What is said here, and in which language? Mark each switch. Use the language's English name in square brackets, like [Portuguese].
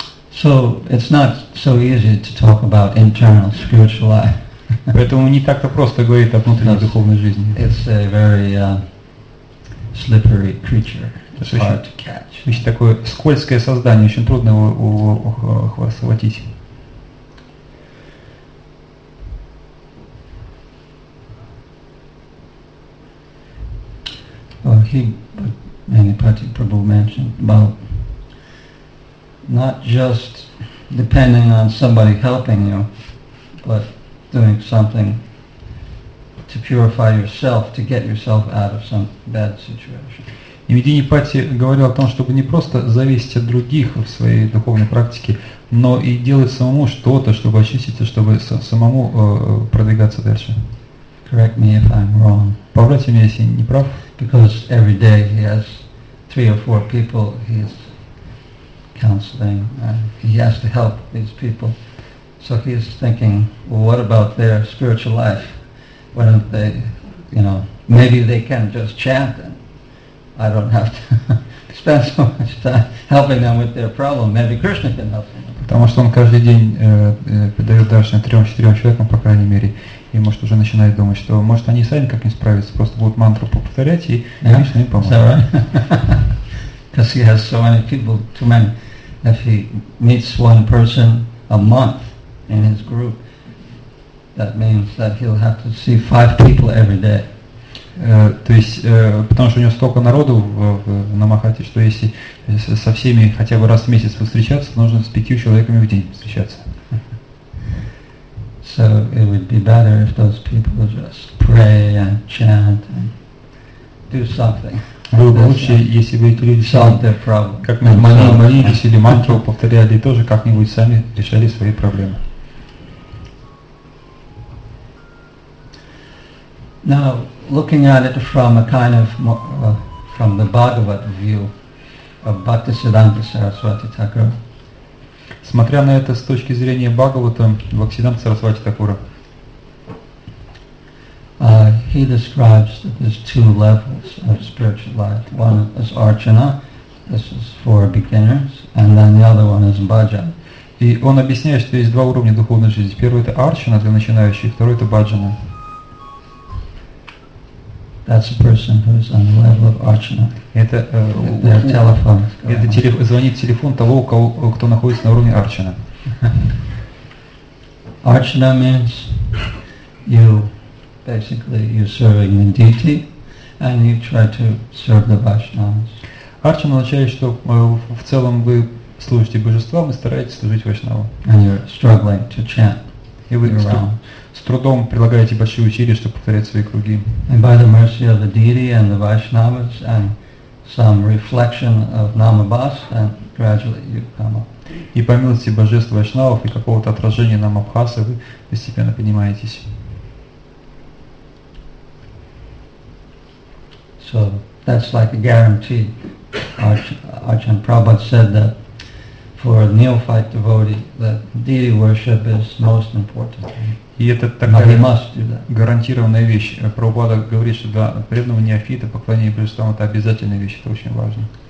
[English] So it's not so easy to talk about internal spiritual life. [Russian] Поэтому не так-то просто говорить о внутренней духовной жизни. [English] It's a very slippery creature. [Russian] То есть очень такое скользкое создание, очень трудно его схватить. [English] He, and Patrick Prabhu mentioned about not just depending on somebody helping you, but doing something to purify yourself, to get yourself out of some bad situation. [Russian] И Видини Пати говорил о том, чтобы не просто зависеть от других в своей духовной практике, но и делать самому что-то, чтобы очиститься, чтобы самому продвигаться дальше. [English] Correct me if I'm wrong. [Russian] Поправьте меня, если я не прав. [English] Because every day he has three or four people he's counseling. He has to help these people. So he's thinking, well, what about their spiritual life? Why don't they, you know, maybe they can just chant and I don't have to spend so much time helping them with their problem. Maybe Krishna can help them. [Russian] Потому что он каждый день подает даршан 3-4 человекам, по крайней мере, и может уже начинает думать, что может они сами как-нибудь справятся, просто будут мантру повторять и Кришна им поможет. [English] Because he has so many people, too many. If he meets one person a month in his group, that means that he'll have to see 5 people every day. [Russian] То есть, потому что у него столько народу в Намахате, что если со всеми хотя бы раз в месяц встречаться, нужно с 5 человеками в день встречаться. [English] So it would be better if those people just pray and chant and do something. [Russian] Было бы лучше, если бы эти люди сами как-нибудь молились или мантру повторяли и тоже как-нибудь сами решали свои проблемы. [English] Now, looking at it from a kind of from the Bhagavad view of Bhaktisiddhanta Saraswati Thakur. [Russian] Смотря на это с точки зрения Бхагавата, Бхактисиддханта Сарасвати Такура. [English] He describes that there's two levels of spiritual life. One is archana, this is for beginners, and then the other one is bhajan. [Russian] И он объясняет, что есть два уровня духовной жизни. Первый это арчана для начинающих, второй это бхаджана. [English] That's a person who is on the level of archana. [Russian] Звонит телефон того, кто находится на уровне арчана. [English] Archana means you basically you're serving the deity and you try to serve the Vaishnavas. [Russian] Archana означает, что в целом вы служите божествам и стараетесь служить Вайшнавам. [English] And you're struggling to chant. [Russian] И вы с трудом прилагаете большие усилия, чтобы повторять свои круги. [English] And by the mercy of the deity and the Vaishnavas and some reflection of Namabhas, and gradually you come up. [Russian] И по милости божеств Вайшнавов и какого-то отражения Намабхасы вы постепенно поднимаетесь. [English] So that's like a guarantee. Ajahn Prabhupada said that for a neophyte devotee, that deity worship is most important. [Russian] И это такая гарантированная вещь. Прабхупада говорит, что для преданного неофита поклонение божествам это обязательная вещь, это очень важно.